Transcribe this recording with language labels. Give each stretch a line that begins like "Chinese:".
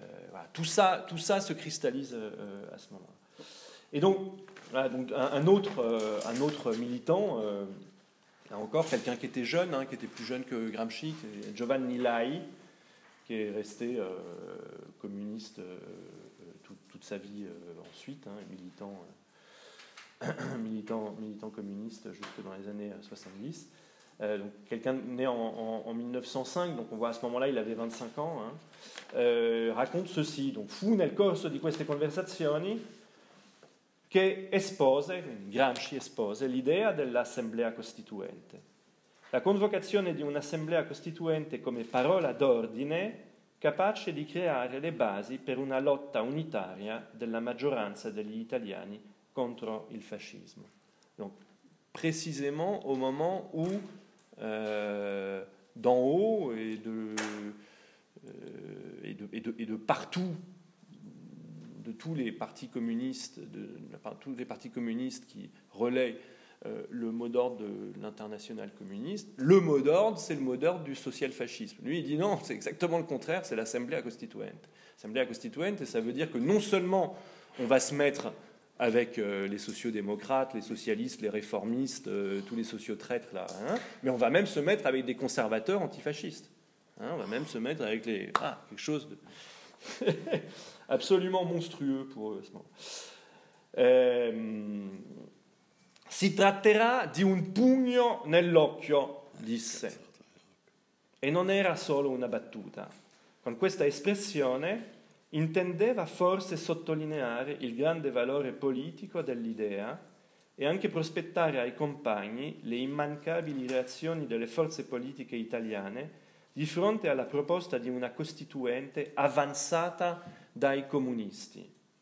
French: Voilà, tout ça se cristallise à ce moment-là. Et donc, voilà, donc un autre militant, là encore, quelqu'un qui était jeune, hein, qui était plus jeune que Gramsci, Giovanni Lai, qui est resté communiste toute sa vie ensuite, hein, militant, militant communiste jusque dans les années 70. Donc quelqu'un né en 1905, donc on voit à ce moment-là, il avait 25 ans, hein, raconte ceci.
Italian: Donc, fu nel corso di queste conversazioni che espose, Gramsci espose, l'idea dell'assemblea costituente. La convocazione di un'assemblea costituente come parola d'ordine capace di creare le basi per una lotta unitaria della maggioranza degli italiani contro il fascismo.
French: Donc, précisément au moment où d'en haut et de partout, de tous les partis communistes, tous les partis communistes qui relaient le mot d'ordre de l'Internationale communiste, le mot d'ordre, c'est le mot d'ordre du social-fascisme. Lui, il dit non, c'est exactement le contraire, c'est l'Assemblée constituante. Assemblée constituante, ça veut dire que non seulement on va se mettre avec les sociodémocrates, les socialistes, les réformistes, tous les sociotraîtres, là. Hein, mais on va même se mettre avec des conservateurs antifascistes. Hein, on va même se mettre avec les... Ah, quelque chose de... absolument monstrueux pour eux, à ce moment.
Italian: Si tratterà di un pugno nell'occhio, disse. E non era solo una battuta. Con questa espressione intendeva forse sottolineare il grande valore politico dell'idea e anche prospettare ai compagni le immancabili reazioni delle forze politiche italiane di fronte alla proposta di una costituente avanzata dai comunisti.